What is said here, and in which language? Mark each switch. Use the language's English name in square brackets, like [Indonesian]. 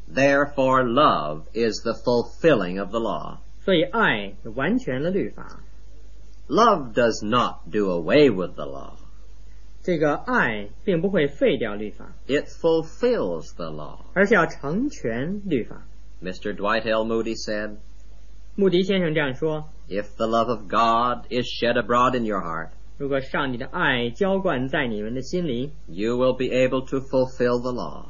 [English] Therefore love is the fulfilling of the law. [Chinese] 所以爱是完全了律法。 [English] Love does not do away with the law. [Chinese] 这个爱并不会废掉律法。 [English] It fulfills the law. [Chinese] 而是要成全律法。 [English] Mr. Dwight L. Moody said, [Chinese] 穆迪先生这样说, [English] If the love of God is shed abroad in your heart, [Chinese] 如果上帝的爱浇灌在你们的心里, [English] you will be able to fulfill the law.